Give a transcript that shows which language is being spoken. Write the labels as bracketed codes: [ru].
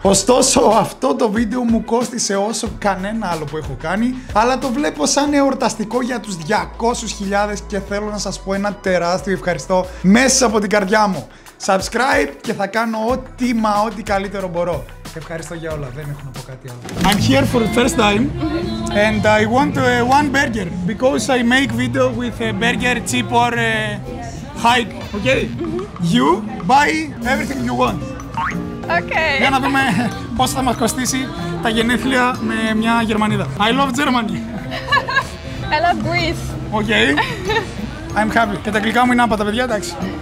[el] Ωστόσο, αυτό το βίντεο μου κόστησε όσο κανένα άλλο που έχω κάνει, αλλά το βλέπω σαν εορταστικό για τους 200.000 και θέλω να σας πω ένα τεράστιο ευχαριστώ μέσα από την καρδιά μου. Subscribe και θα κάνω ό,τι μα ό,τι καλύτερο μπορώ. Ευχαριστώ για όλα, δεν έχω να πω κάτι άλλο. [en] I'm here for the first time and I want one burger because I make video with a burger cheap or hike, okay? You buy everything you want. Okay. [el] Για να δούμε πώς θα μας κοστίσει τα γενέθλια με μια Γερμανίδα. [en] I love Germany. I love Greece. Okay. I'm happy. [el] Και τα αγγλικά μου είναι άπατα, παιδιά, εντάξει.